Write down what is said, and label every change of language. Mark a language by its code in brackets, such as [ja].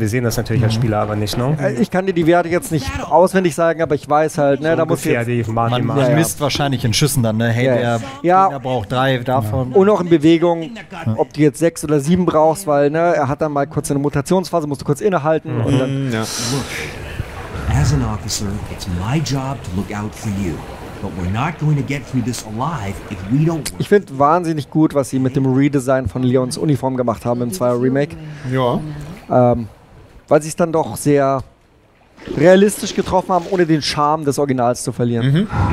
[de] Wir sehen das natürlich als Spieler aber nicht, ne? Ich kann dir die Werte jetzt nicht auswendig sagen, aber ich weiß halt, ne? So da muss ich jetzt, man misst wahrscheinlich in Schüssen dann, ne? [en] Hey, yes. [de] der braucht 3 davon. Und auch in Bewegung, ob du jetzt 6 oder 7 brauchst, weil ne, er hat dann mal kurz eine Mutationsphase, musst du kurz innehalten. Und dann [en] as an officer, it's my job to look out for you. But we're not going to get through this alive if we don't. [de] Ich finde wahnsinnig gut, was sie mit dem Redesign von Leons Uniform gemacht haben im 2er Remake. Ja. Weil sie es dann doch sehr realistisch getroffen haben, ohne den Charme des Originals zu verlieren.